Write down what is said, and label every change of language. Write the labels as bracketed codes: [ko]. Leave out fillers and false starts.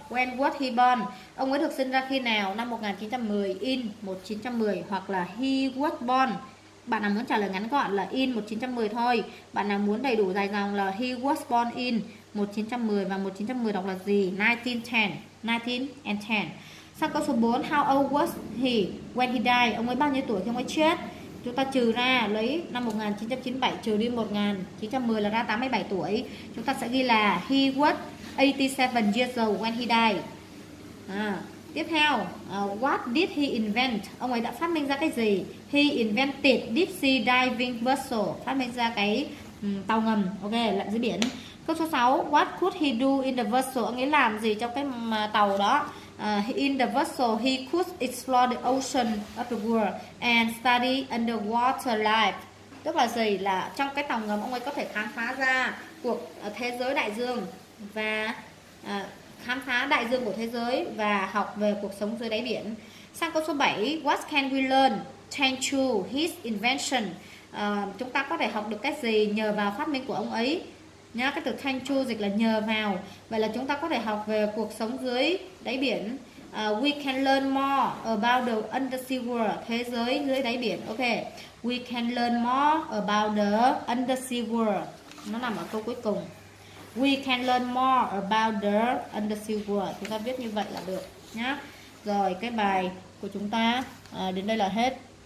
[en] When was he born? [vi] Ông ấy được sinh ra khi nào? Năm 1910, [en] in 1910 [vi] hoặc là [en] he was born. [vi] Bạn nào muốn trả lời ngắn gọn là [en] in 1910 [vi] thôi. Bạn nào muốn đầy đủ dài dòng là [en] he was born in 1910 [vi] và 1910 đọc là gì? [en] 1910. [vi] Sang câu số 4, [en] how old was he when he died? [vi] Ông ấy bao nhiêu tuổi khi ông ấy chết? Chúng ta trừ ra, lấy năm 1997 trừ đi 1910 là ra 87 tuổi. Chúng ta sẽ ghi là [en] he was 87 years old when he died. [vi] Tiếp theo, [en] what did he invent? [vi] Ông ấy đã phát minh ra cái gì? [en] He invented deep sea diving vessel, [vi] phát minh ra cái tàu ngầm, ok, lặn dưới biển. Câu số 6, [en] what could he do in the vessel? [vi] Ông ấy làm gì trong cái tàu đó? [en] In the vessel, he could explore the ocean of the world and study underwater life. [vi] Tức là gì? Là trong cái tàu ngầm ông ấy có thể khám phá ra cuộc thế giới đại dương và khám phá đại dương của thế giới và học về cuộc sống dưới đáy biển. Sang câu số 7, [en] what can we learn thanks to his invention? [vi] Chúng ta có thể học được cái gì nhờ vào phát minh của ông ấy? Nhá, cái từ thanh chu dịch là nhờ vào. Vậy là chúng ta có thể học về cuộc sống dưới đáy biển. [en] We can learn more about the undersea world, [vi] thế giới dưới đáy biển. [en] Ok, we can learn more about the undersea world. [vi] Nó nằm ở câu cuối cùng. [en] We can learn more about the undersea world. [vi] Chúng ta viết như vậy là được nhá. Rồi cái bài của chúng ta đến đây là hết.